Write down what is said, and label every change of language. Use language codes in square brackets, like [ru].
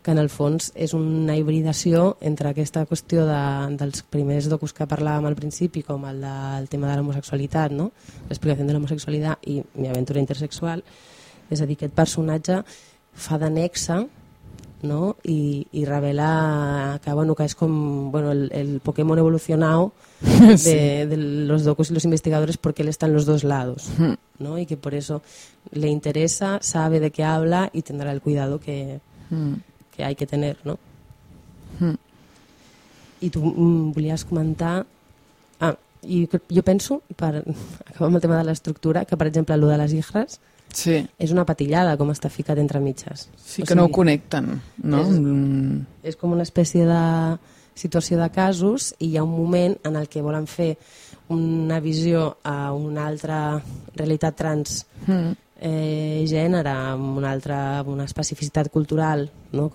[ca] Que en el fons és una hibridació entre aquesta qüestió dels primers docus que parlàvem al principi, com el del tema de l'homosexualitat, no? L'explicació de l'homosexualitat i Mi aventura intersexual. És a dir, aquest personatge fa de nexe, no? I revela que, bueno, que és com, [es] bueno, el Pokémon evolucionado de los docus y los investigadores, porque él está en los dos lados, no? Y que por eso le interesa, sabe de qué habla y tendrá el cuidado que hay que tener, no? [ca] Y tú volías comentar, y yo penso, per acabar amb el tema de l'estructura, que per exemple lo de les hijres, sí, és una patillada com està ficat entre mitges. Sí, que no ho connecten, no? És com una espècie de situació de casos i hi ha un moment en el que volen fer una visió a una altra realitat trans gènere, amb una altra, una especificitat cultural, no?